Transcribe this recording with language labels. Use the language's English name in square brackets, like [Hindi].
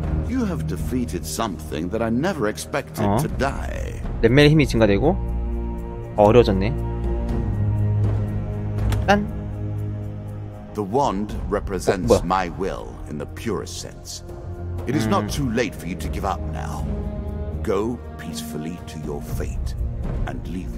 [English] You have defeated something that I never expected to die. [Korean] 랩맨의 힘이 증가되고 어려워졌네. 짠. [English] The wand represents my will in the purest sense. It is not too late for you to give up now. Go peacefully to your fate and leave.